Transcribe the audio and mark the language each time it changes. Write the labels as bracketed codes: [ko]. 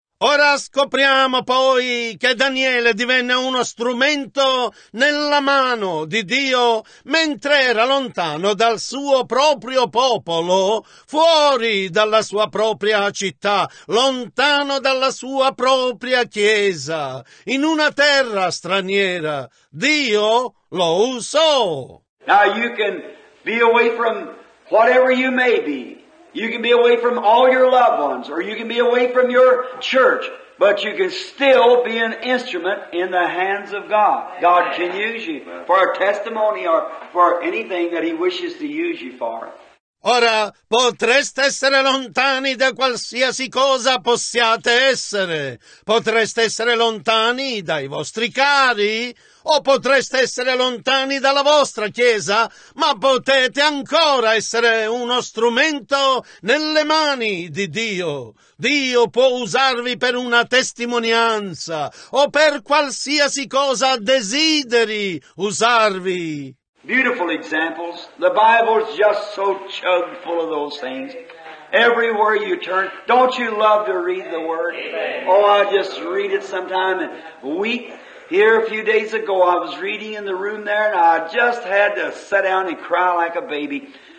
[it] Ora scopriamo poi che Daniele divenne uno strumento nella mano di Dio mentre era lontano dal suo proprio popolo, fuori dalla sua propria città, lontano dalla sua propria chiesa, in una terra straniera. Dio lo usò. [en] Now you can be away from whatever you may be. You can be away from all your loved ones, or you can be away from your church, but you can still be an instrument in the hands of God. God can use you for a testimony or for anything that He wishes to use you for. [it] Ora, potreste essere lontani da qualsiasi cosa possiate essere. Potreste essere lontani dai vostri cari, o potreste essere lontani dalla vostra chiesa, ma potete ancora essere uno strumento nelle mani di Dio. Dio può usarvi per una testimonianza, o per qualsiasi cosa desideri usarvi. [en] Beautiful examples. The Bible is just so chock full of those things. Everywhere you turn, don't you love to read the Word? Oh, I just read it sometime and weep. Here a few days ago, I was reading in the room there and I just had to sit down and cry like a baby.